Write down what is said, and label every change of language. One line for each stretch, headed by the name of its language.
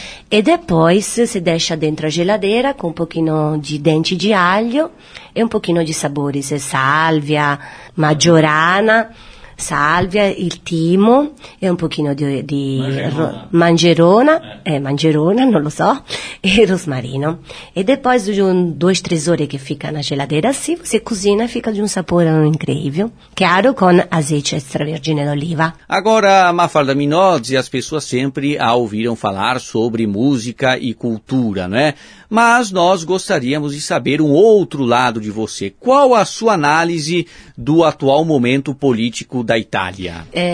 Portuguese: e depois se deixa dentro da geladeira com um pouquinho de dente de alho e um pouquinho de sabores, sálvia, maggiorana, salvia,
Italian: il timo e un pochino di mangerona, mangerona, non lo so, e rosmarino. E poi, due o tre ore che fica nella geladeira, sì, si cucina e fica di un sapore incredibile. Chiaro, con azeite extravergine d'oliva.
Portuguese: Agora, Mafalda Minozzi, as pessoas sempre a ouviram falar sobre música e cultura, né? Mas nós gostaríamos de saber um outro lado de você. Qual a sua análise do atual momento político da Itália?